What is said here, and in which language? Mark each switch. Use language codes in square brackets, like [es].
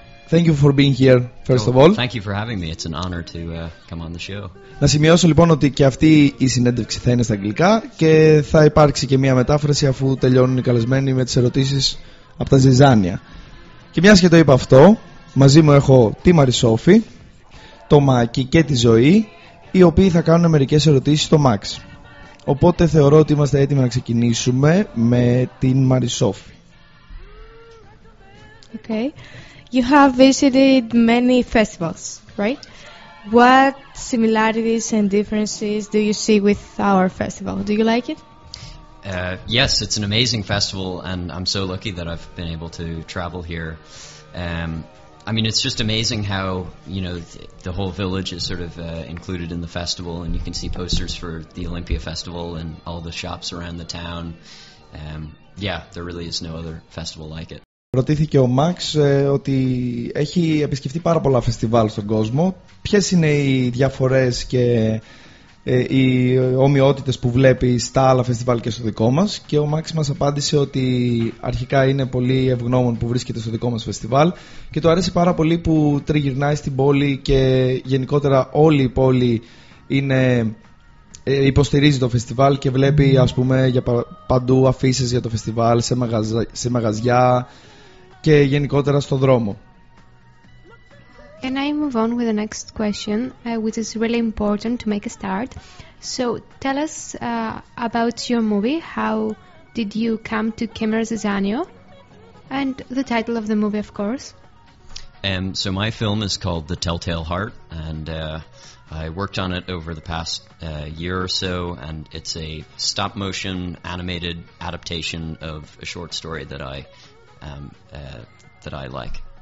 [en] Thank you for being here, first of all. Thank you for having me. It's an honor to come on the show. [el] Να σημειώσω λοιπόν ότι και αυτή η συνέντευξη θα είναι στα αγγλικά και θα υπάρξει και μια μετάφραση αφού τελειώνουν οι καλεσμένοι με τις ερωτήσεις από τα ζυζάνια. Και μιας και το είπα αυτό, μαζί μου έχω τη Μαρισόφη, το Μάκη και τη Ζωή, οι οποίοι θα κάνουν μερικές ερωτήσεις στο Max. Οπότε θεωρώ ότι είμαστε έτοιμοι να ξεκινήσουμε με την Μαρισόφη. [en] Okay. You have visited many festivals, right? What similarities and differences do you see with our festival? Do you like it? Yes, it's an amazing festival, and I'm so lucky that I've been able to travel here. I mean, it's just amazing how, you know, the whole village is sort of included in the festival, and you can see posters for the Olympia Festival and all the shops around the town. Yeah, there really is no other festival like it. [el] Ρωτήθηκε ο Max ότι έχει επισκεφτεί πάρα πολλά φεστιβάλ στον κόσμο. Ποιες είναι οι διαφορές και οι ομοιότητες που βλέπει στα άλλα φεστιβάλ και στο δικό μας. Και ο Max μας απάντησε ότι αρχικά είναι πολύ ευγνώμων που βρίσκεται στο δικό μας φεστιβάλ και του αρέσει πάρα πολύ που τριγυρνάει στην πόλη και γενικότερα όλη η πόλη είναι, υποστηρίζει το φεστιβάλ και βλέπει, ας πούμε, για παντού αφίσες για το φεστιβάλ σε μαγαζιά και γενικότερα στο δρόμο. [en] Can I move on with the next question, which is really important to make a start? So, tell us about your movie. How did you come to Kimmer Zizanio? And the title of the movie, of course. So, my film is called The Telltale Heart, and I worked on it over the past year or so, and it's a stop-motion animated adaptation of a short story that I that I like.